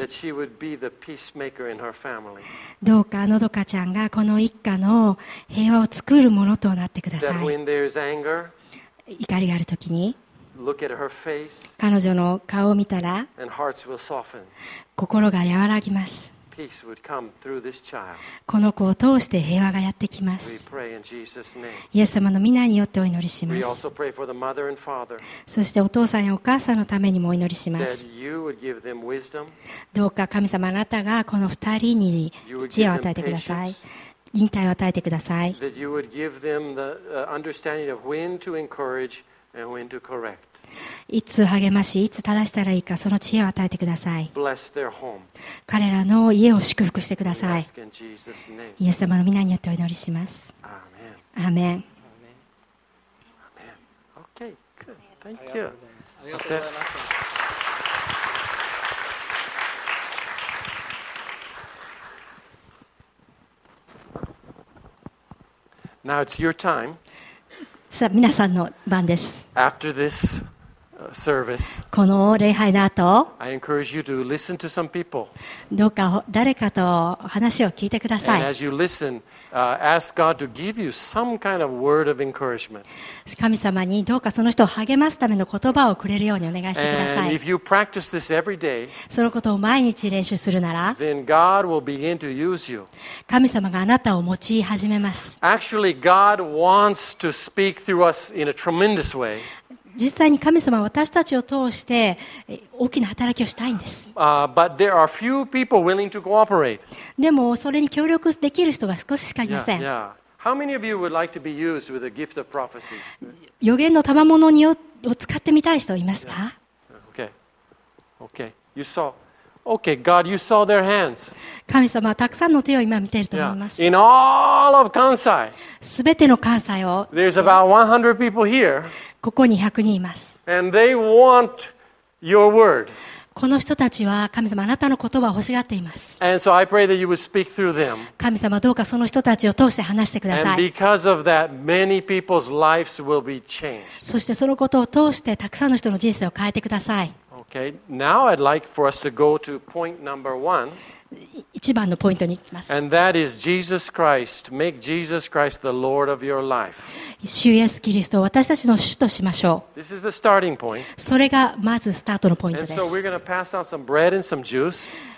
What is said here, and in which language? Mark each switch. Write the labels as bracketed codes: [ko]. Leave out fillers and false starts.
[en] That she would be the peacemaker in her family. [ja] どうかのどかちゃんがこの一家の平和を作るものとなってください。 [en] anger, [ja] 怒りがあるときに [en] look at her face, [ja] 彼女の顔を見たら [en] and hearts will soften. [ja] 心が和らぎます。 [en] Peace would come through this child. [ja] この子を通して平和がやってきます。 [en] We pray in Jesus' name. [ja] イエス様の御名によってお祈りします。 [en] We also pray for the mother and father. [ja] そしてお父さんやお母さんのためにもお祈りします。 [en] that you would give them wisdom. [ja] どうか神様、あなたがこの二人に知恵を与えてください。忍耐を与えてください。 [en] that you would give them the understanding of when to encourage and when to correct. [ja] いつ励まし、いつ正したらいいか、その知恵を与えてください。彼らの家を祝福してください。イエス様の皆によってお祈りします。アーメン。 [en] OK, good. Thank you. [ja] ありがとうございます。 [en] Now it's your time. [ja] さあ皆さんの番です。 [en] After this service, [ja] この礼拝の後、 [en] I encourage you to listen to some people. [ja] どうか誰かと話を聞いてください。 [en] And as you listen, ask God to give you some kind of word of encouragement. [ja] 神様にどうかその人を励ますための言葉をくれるようにお願いしてください。 [en] And if you practice this every day, [ja] そのことを毎日練習するなら、 [en] then God will begin to use you. [ja] 神様があなたを用い始めます。 [en] Actually, God wants to speak through us in a tremendous way. [ja] 実際に神様は私たちを通して大きな働きをしたいんです。 [en] But there are few people willing to cooperate. [ja] でもそれに協力できる人が少ししかいません。 [en] Yeah, yeah. How many of you would like to be used with the gift of prophecy? [ja] 予言の賜物を使ってみたい人いますか？ [en] Yeah. Okay. Okay. You saw. Okay, God, you saw their hands. [ja] 神様はたくさんの手を今見ていると思います。 [en] Yeah. In all of Kansai. [ja] すべての関西を。 [en] There's about 100 people here. [ja] ここに100人います。 [en] And they want your word. [ja] この人たちは神様あなたの言葉を欲しがっています。 [en] And so I pray that you would speak through them. [ja] 神様どうかその人たちを通して話してください。 [en] And because of that, many people's lives will be changed. [ja] そしてそのことを通してたくさんの人の人生を変えてください。 [en] Okay. Now I'd like for us to go to point number one. [ja] 一番のポイントに行きます。 [en] And that is Jesus Christ. Make Jesus Christ the Lord of your life. [ja] 主イエスキリストを私たちの主としましょう。それがまずスタートのポイントです。